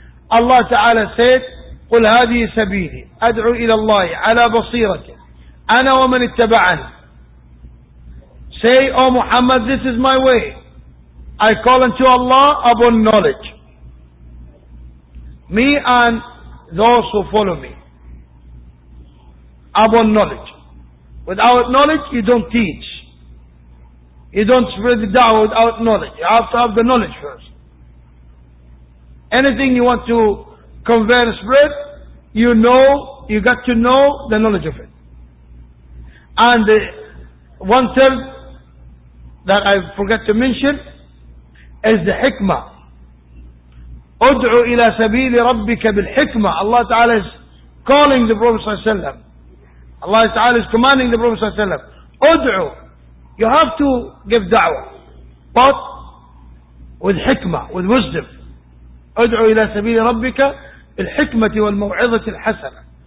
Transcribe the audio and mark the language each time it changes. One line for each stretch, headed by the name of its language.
English: Allah Ta'ala said,
Arabic: قُلْ هَذِي سَبِيلِي أَدْعُوا إِلَى اللَّهِ عَلَى بَصِيرَةٍ أَنَا وَمَنِ اتَّبَعَنِ.
English: Say, O Muhammad, this is my way. I call unto Allah upon knowledge. Me and those who follow me. Upon knowledge. Without knowledge, you don't teach. You don't spread the da'wah without knowledge. You have to have the knowledge first. Anything you want to convey and spread, you know, you got to know the knowledge of it. And one third, that I forget to mention is the hikmah.
Arabic: أدعو إلى سبيل ربك بالحكمة.
English: Allah Ta'ala is calling the Prophet Sallallahu Alaihi Wasallam. Allah Ta'ala is commanding the Prophet Sallallahu Alaihi Wasallam. أدعو. You have to give da'wah. But with hikmah, with wisdom.
Arabic: أدعو إلى سبيل ربك بالحكمة والموعظة الحسنة.